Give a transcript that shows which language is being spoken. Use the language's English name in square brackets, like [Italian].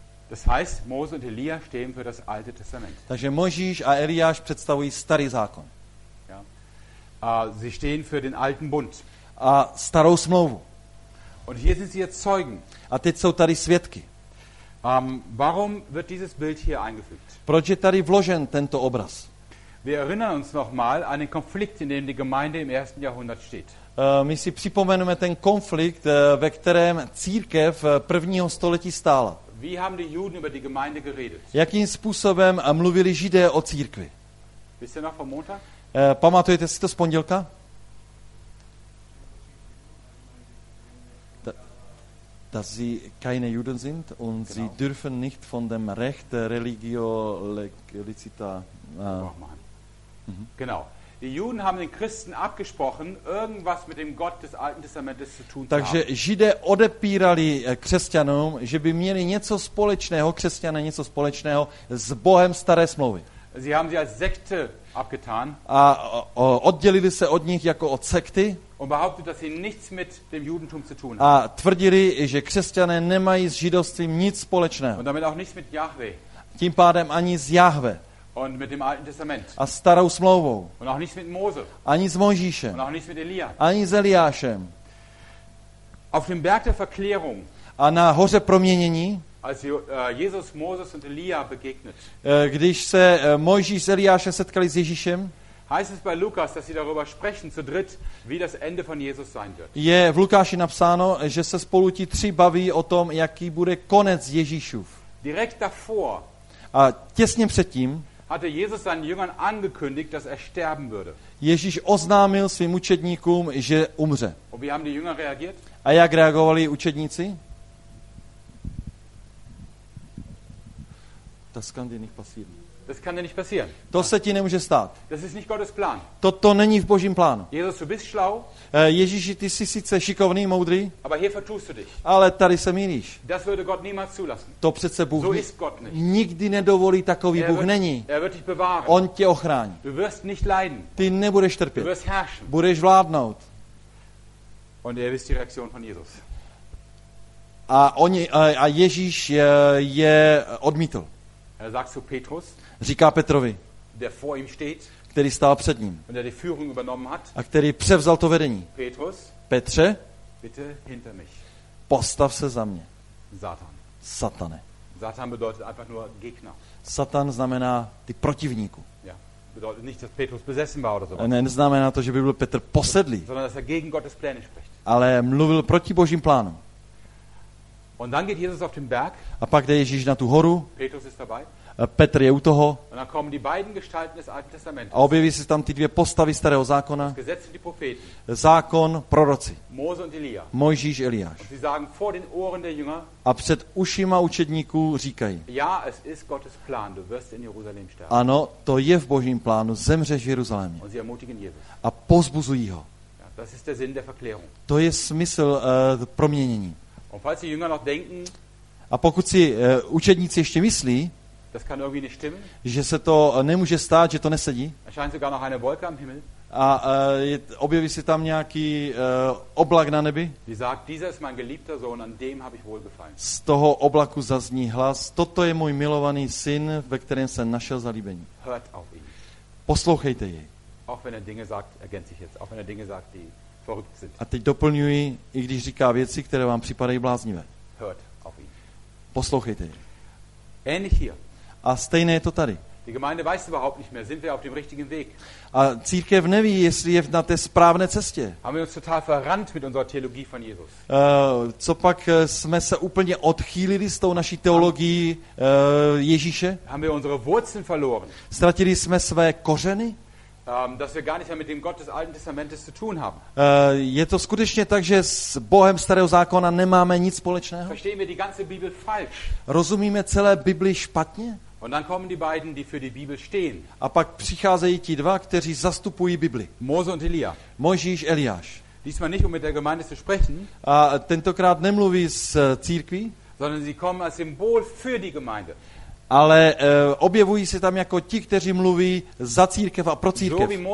[German] Das heißt, Mose und Elia stehen für das Alte Testament. [Czech] Takže Mojžíš a Eliáš představují starý zákon. [German] Ja. Sie stehen für den alten Bund. [Czech] A starou smlouvu. [German] Und hier sind sie jetzt Zeugen. [Czech] A teď jsou tady svědky. [German] Warum wird dieses Bild hier eingefügt? [Czech] Proč je tady vložen tento obraz? [German] Wir erinnern uns nochmal an den Konflikt, in dem die Gemeinde im ersten Jahrhundert steht. [Czech] My si připomeneme ten konflikt, ve kterém církev prvního století stála. [German] Wie haben die Juden über die Gemeinde geredet? [Czech] Jakým způsobem mluvili Židé o církvi? [German] Wisst ihr noch vom Montag? [Czech] Pamatujete si to z pondělka? [German] Dass sie keine Juden sind und genau. Sie dürfen nicht von dem Recht Religio Legalicita Genau. Die Juden haben den Christen abgesprochen, irgendwas mit dem Gott des Alten Testamentes zu tun. [Czech] Takže Židé odepírali křesťanům, že by měli něco společného, křesťané něco společného s Bohem staré smlouvy. [German] Sie haben sie als Sekte abgetan. [Czech] A oddělili se od nich jako od sekty. [German] Und behauptet, dass sie nichts mit dem Judentum zu tun [Czech] haben. A tvrdili, že křesťané nemají s židovstvím nic společného. [German] Und damit auch nichts mit Jahwe. [Czech] Tím pádem ani s Jahwe. [German] Und mit dem Alten Testament. [Czech] A starou smlouvou. [German] Und auch nichts mit Mose. [Czech] Ani s Mojžíšem. [German] Und auch nichts mit Elia. [Czech] Ani s Eliášem. [German] Auf dem Berg der Verklärung. [Czech] A na hoře proměnění. [German] Als Jesus Moses und Elia begegnet. [Czech] Když se Mojžíš s Eliášem setkali s Ježíšem. [German] Heißt es bei Lukas, dass sie darüber sprechen zu dritt, wie das Ende von Jesus sein wird. [Czech] Je v Lukáši napsáno, že se spolu ti tři baví o tom, jaký bude konec Ježíšův. [German] Direkt davor. [Czech] A těsně předtím [German] hatte Jesus seinen Jüngern angekündigt, dass er sterben würde. [Czech] Ježíš oznámil svým učedníkům, že umře. [German] Und wie haben die Jünger reagiert? [Czech] A jak reagovali učedníci? [German] Das kann dir nicht passieren. Das kann dir nicht passieren. [Czech] To se ti nemůže stát. [German] Das ist nicht Gottes Plan. [Czech] Toto není v Božím plánu. [German] Jesus, du bist schlau. [Czech] Ježíši, ty jsi sice šikovný, moudrý. [German] Aber hier vertust du dich. [Czech] Ale tady se mýlíš. [German] Das würde Gott niemals zulassen. [Czech] To přece Bůh [German] so ist Gott nicht. [Czech] Nikdy nedovolí, takový [German] er [Czech] Bůh [German] wird, [Czech] není. [German] Er wird dich bewahren. [Czech] On tě ochrání. [German] Du wirst nicht leiden. [Czech] Ty nebudeš trpět. [German] Du wirst herrschen. [Czech] Budeš vládnout. [German] Und er ist die Reaktion von Jesus. [Czech] A oni, a Ježíš je odmítl. [German] Er sagt zu Petrus, [Czech] říká Petrovi, [German] der vor ihm steht, [Czech] který stál před ním [German] und der die Führung übernommen hat, [Czech] a který převzal to vedení. [German] Petrus, [Czech] Petře, [German] bitte hinter mich. [Czech] Postav se za mě. [German] Satan. [Czech] Satane. [German] Satan bedeutet einfach nur Gegner. [Czech] Satan znamená ty protivníku. [German] Ja, bedeutet nicht, dass Petrus besessen war oder sowas. [Czech] Ne, neznamená to, že by byl Petr posedlý. [German] Sondern, dass er gegen Gottes Pläne spricht. [Czech] Ale mluvil proti Božím plánu. [German] Und dann geht Jesus auf den Berg. [Czech] A pak jde Ježíš na tu horu. [German] Petrus ist dabei. [Czech] Petr je u toho. [German] Und dann kommen die beiden Gestalten des Alten Testamentes. [Czech] A objeví se tam ty dvě postavy starého zákona. [German] Das Gesetz und die Propheten. [Czech] Zákon, proroci. [German] Mose und Elia. [Czech] Mojžíš, Eliáš. [German] Und sie sagen vor den Ohren der Jünger. [Czech] A před ušima učedníků říkají. [German] Ja, es ist Gottes Plan, du wirst in Jerusalem sterben. [Czech] Ano, to je v Božím plánu, zemřeš v Jeruzalémě. [German] Und sie ermutigen Jesus. [Czech] A pozbuzují ho. [German] Ja, das ist der Sinn der Verklärung. [Czech] To je smysl proměnění. [German] Und falls die Jünger noch denken, [Czech] a pokud si učedníci ještě myslí, [German] das kann irgendwie nicht stimmen, [Czech] že se to nemůže stát, že to nesedí, [German] erscheint sogar noch eine Wolke am Himmel, [Czech] a objeví se tam nějaký oblak na nebi, [German] die sagt, dieser ist mein geliebter Sohn, an dem habe ich wohlgefallen. [Czech] Z toho oblaku zazní hlas, toto je můj milovaný syn, ve kterém jsem našel zalíbení. [German] Hört auf ihn. [Czech] Poslouchejte jej. [German] Auch wenn er Dinge sagt, ergänze ich jetzt, auch wenn er Dinge sagt, die verrückt sind. [Czech] A teď doplňuji, i když říká věci, které vám připadají bláznivé. [German] Hört auf ihn. [Czech] Poslouchejte jej. [German] Ähnlich hier. [Czech] A stejné je to tady. [German] Die Gemeinde weiß überhaupt nicht mehr, sind wir auf dem richtigen Weg. [Czech] A církev neví, jestli je na té správné cestě. [German] Haben wir uns total verrannt mit unserer Theologie von Jesus. [Czech] Copak jsme se úplně odchýlili s tou naší teologií Ježíše? [German] Haben wir unsere Wurzeln verloren. [Czech] Ztratili jsme své kořeny? [German] Dass wir gar nicht mehr mit dem Gott des Alten Testamentes zu tun haben. [Czech] Je to skutečně tak, že s Bohem starého zákona nemáme nic společného? [German] Verstehen wir die ganze Bibel falsch? [Czech] Rozumíme celé Bibli špatně? [German] Und dann kommen die beiden, die für die Bibel stehen. [Czech] A pak přicházejí ti dva, kteří zastupují Bibli. [German] Mose und Elia. [Czech] Mojžíš, Eliáš. [German] Diesmal nicht, um mit der Gemeinde zu sprechen. [Czech] A tentokrát nemluví s církví. [German] Sondern sie kommen als Symbol für die Gemeinde. [Czech] ale objevují se tam jako ti, kteří mluví za církev a pro církev.